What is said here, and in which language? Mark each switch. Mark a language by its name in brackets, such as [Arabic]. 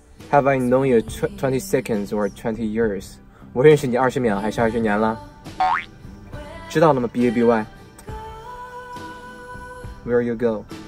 [English] Have I known you 20 seconds or 20 years? [Chinese] 我认识你二十秒还是二十年了？知道了吗 [English] ？BABY, where you go?